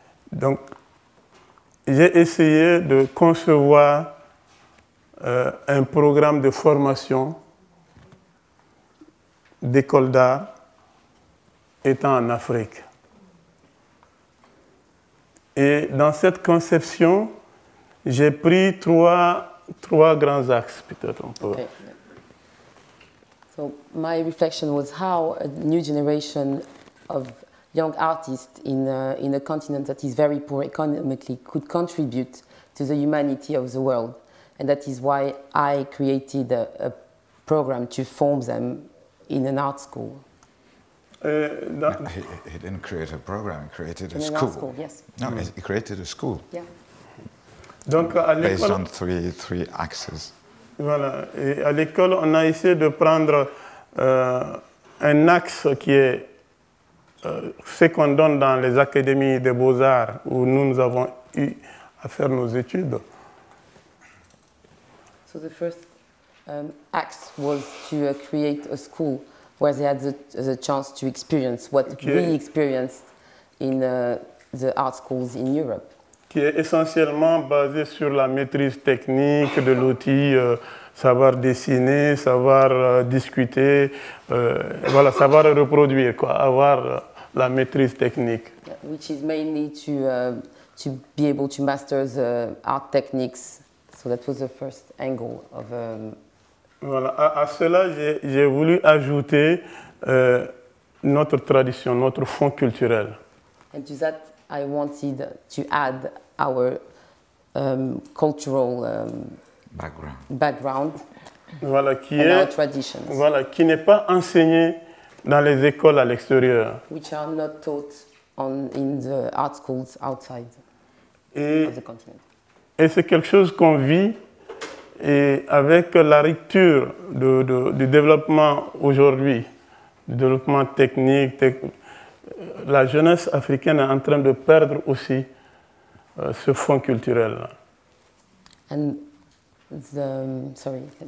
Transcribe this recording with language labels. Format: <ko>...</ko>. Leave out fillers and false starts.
<fr>Donc, j'ai essayé de concevoir un programme de formation d'école d'art étant en Afrique. Et dans cette conception, j'ai pris trois grands axes, peut-être un peu.</fr> <en>Okay. So, my reflection was how a new generation of young artists in a continent that is very poor economically could contribute to the humanity of the world. And that is why I created a program to form them in an art school. He didn't create a program, he created a school. An art school, yes. No, he created a school. Yeah.</en> <fr>Donc, à l'école,</fr> <en>based on three axes.</en> <fr>Voilà. Et à l'école, on a essayé de prendre un axe qui est ce qu'on donne dans les académies des beaux-arts où nous avons eu à faire nos études.</fr> <en>So the first act was to create a school where they had the chance to experience what we experienced in the art schools in Europe.</en> <fr>Qui est essentiellement basé sur la maîtrise technique de l'outil, savoir dessiner, savoir discuter, voilà, savoir reproduire, quoi, avoir la maîtrise technique.</fr> <en>Yeah, which is mainly to be able to master the art techniques. So that was the first angle of.</en> <fr>Voilà. À cela, j'ai voulu ajouter notre tradition, notre fond culturel.</fr> <en>And to that, I wanted to add our cultural background.</en> <fr>Voilà, qui</fr> <en>and</en> <fr>est,</fr> <en>our traditions.</en> <fr>Voilà, qui n'est pas enseigné dans les écoles à l'extérieur.</fr> <en>Which are not taught on in the art schools outside of the continent.</en> <fr>Et c'est quelque chose qu'on vit. Et avec la rupture du développement aujourd'hui, du développement technique, la jeunesse africaine est en train de perdre aussi ce fond culturel.</fr> <en>And the, sorry,</en>